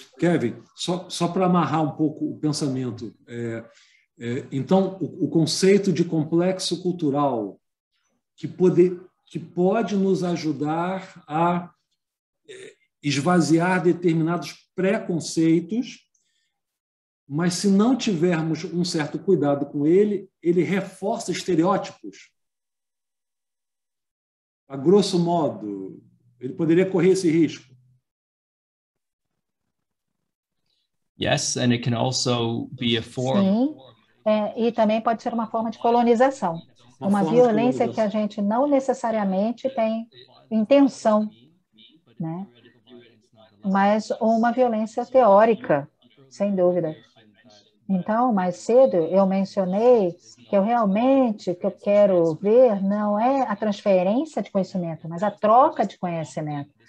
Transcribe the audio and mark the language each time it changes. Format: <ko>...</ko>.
<pt>Kevin, só para amarrar um pouco o pensamento. Então, o conceito de complexo cultural que pode nos ajudar a esvaziar determinados preconceitos, mas se não tivermos um certo cuidado com ele, ele reforça estereótipos. A grosso modo, ele poderia correr esse risco.</pt> <en>Yes, and it can also be a form.</en> <pt>Sim, e também pode ser uma forma de colonização, uma violência que a gente não necessariamente tem intenção, né? Mas uma violência teórica, sem dúvida. Então, mais cedo, eu mencionei que eu quero ver não é a transferência de conhecimento, mas a troca de conhecimento.</pt>